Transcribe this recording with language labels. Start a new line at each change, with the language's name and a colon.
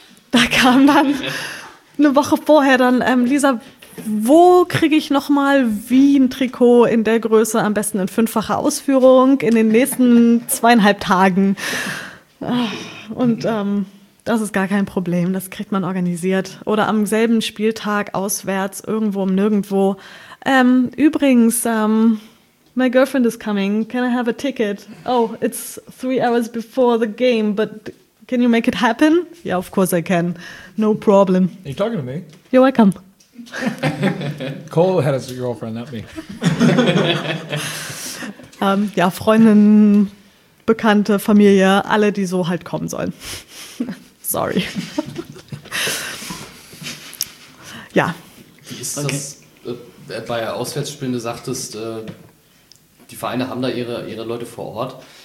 German: Da kam dann eine Woche vorher dann, Lisa, wo kriege ich nochmal wie ein Trikot in der Größe, am besten in fünffacher Ausführung, in den nächsten 2,5 Tagen? Und das ist gar kein Problem, das kriegt man organisiert. Oder am selben Spieltag auswärts, irgendwo im Nirgendwo.
English: Übrigens, my girlfriend is coming, can I have a ticket? Oh, it's 3 hours before the game, but can you make it happen? Yeah, of course I can, no problem. Are you talking to me? You're welcome. Cole had his girlfriend, not me.
German: ja, Freundin, Bekannte, Familie, alle, die so halt kommen sollen.
English: Sorry.
German: Ja. Wie ist das, bei Auswärtsspielen, du sagtest, die Vereine haben da ihre Leute vor Ort.